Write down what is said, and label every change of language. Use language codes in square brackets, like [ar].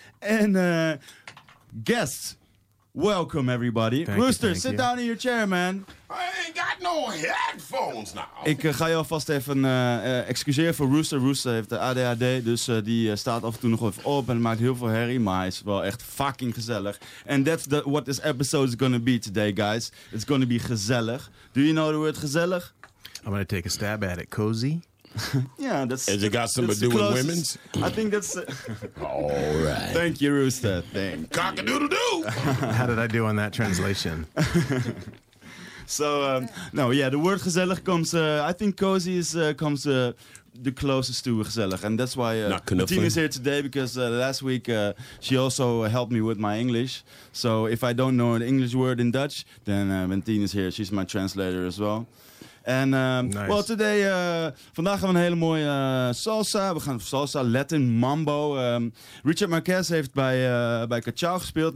[en] En guests. Welcome everybody. Rooster, sit down in your chair, man. I ain't got no headphones now. [nl] Ik ga je alvast even excuseren voor Rooster. Rooster heeft de ADHD, dus die staat af en toe nog even op en maakt heel veel herrie, maar hij is wel echt fucking gezellig. [en] And that's what this episode is gonna be today, guys. It's gonna be gezellig. Do you know the word gezellig? I'm gonna take a stab at it. Cozy? Yeah, that's. Has it got something to do with women? I think that's. All right. Thank you, Rooster. Thank you. Cock-a-doodle-doo! How did I do on that translation? So, no, yeah, the word gezellig comes. I think cozy is comes the closest to gezellig. And that's why Bettina is here today, because last week she also helped me with my English. So if I don't know an English word in Dutch, then Bettina is here. She's my translator as well. [nl] En nice. [en] Well, today, [nl] vandaag gaan we een hele mooie salsa. We gaan salsa, Latin, mambo. Richard Marquez heeft bij Cachao gespeeld.